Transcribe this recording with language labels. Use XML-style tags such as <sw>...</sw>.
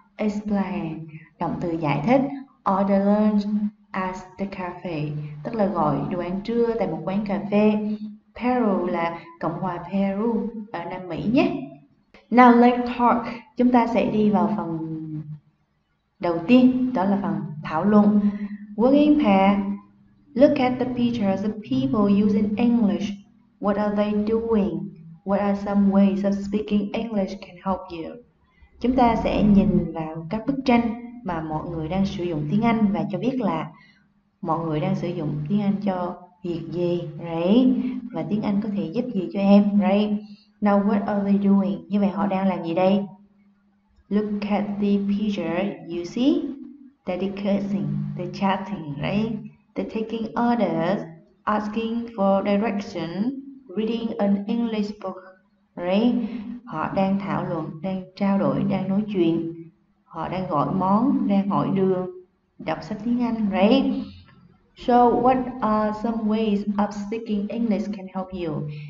<vi>Explain, động từ giải thích.</vi> <en>Order lunch at the cafe,</en> <vi>tức là gọi đồ ăn trưa tại một quán cà phê. Peru là Cộng hòa Peru ở Nam Mỹ nhé.</vi> <en>Now let's talk.</en> <vi>Chúng ta sẽ đi vào phần đầu tiên, đó là phần thảo luận.</vi> <en>Working pair, look at the pictures of people using English. What are they doing? What are some ways of speaking English can help you?</en> <vi>Chúng ta sẽ nhìn vào các bức tranh mà mọi người đang sử dụng tiếng Anh và cho biết là mọi người đang sử dụng tiếng Anh cho việc gì, right? Và tiếng Anh có thể giúp gì cho em, right?</vi> <en>Now, what are they doing?</en> <vi>Như vậy họ đang làm gì đây?</vi> <en>Look at the picture, you see? They're discussing, they're chatting, right? They're taking orders, asking for direction, reading an English book, right?</en> <vi>Họ đang thảo luận, đang trao đổi, đang nói chuyện. Họ đang gọi món, đang hỏi đường, đọc sách tiếng Anh, right?</vi> <en>So, what are some ways of speaking English can help you?</en>